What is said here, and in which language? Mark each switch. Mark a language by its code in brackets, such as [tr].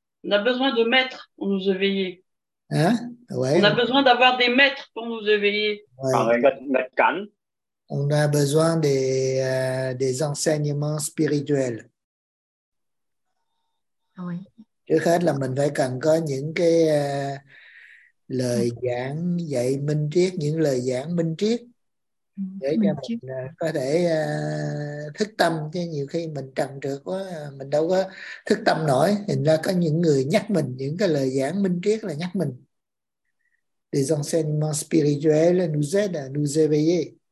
[fr] On a besoin de maître pour nous éveiller. Hein? Ouais. On a besoin d'avoir des maîtres pour nous éveiller. Ouais. On a besoin des enseignements spirituels. Oui. [vi] Trước hết là mình phải cần có những cái lời giảng dạy minh triết, những lời giảng minh triết để cho mình có thể thức tâm. Chứ nhiều khi mình trần trượt quá, mình đâu có thức tâm nổi. Hình ra có những người nhắc mình, những cái lời giảng minh triết là nhắc mình. [fr] Des enseignements spirituels nous aident à nous éveiller.